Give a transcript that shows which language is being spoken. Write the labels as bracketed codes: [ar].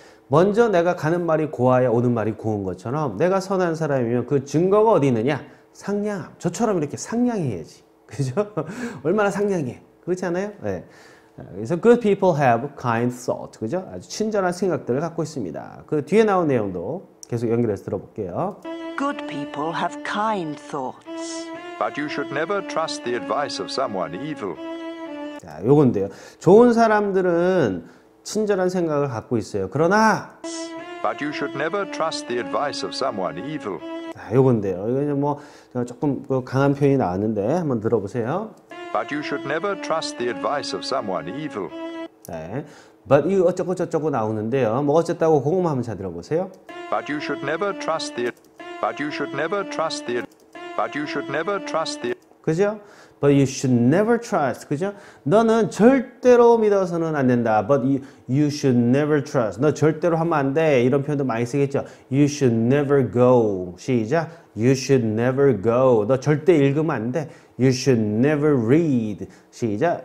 [ko] 먼저 내가 가는 말이 고와야 오는 말이 고운 것처럼 내가 선한 사람이면 그 증거가 어디 있느냐? 상냥함. 저처럼 이렇게 상냥해야지. 그죠? 얼마나 상냥해. 그렇지 않아요? 네. 그래서 [en] good people have kind thought. [ko] 그죠? 아주 친절한 생각들을 갖고 있습니다. 그 뒤에 나온 내용도 계속 연결해서 들어볼게요. [en] Good people have kind thoughts. But you should never trust the advice of someone evil. [ko] 자, 요건데요. 좋은 사람들은 친절한 생각을 갖고 있어요. 그러나 [en] But you should never trust the advice of someone evil. [ko] 요건데요. 이거는 뭐 조금 강한 표현이 나왔는데 한번 들어보세요. [en] But you should never trust the advice of someone evil. [ko] 네. But 이 어쩌고 저쩌고 나오는데요. 뭐 어쨌다고 그것만 한번 잘 들어보세요. [en] But you should never trust the But you should never trust the But you should never trust the [ko] 그죠? [en] But you should never trust. 그죠? [ko] 너는 절대로 믿어서는 안 된다. [en] But you should never trust. [ko] 너 절대로 하면 안 돼. 이런 표현도 많이 쓰겠죠. [en] You should never go. [ko] 시작. [en] You should never go. [ko] 너 절대 읽으면 안 돼. [en] You should never read. [ko] 시작.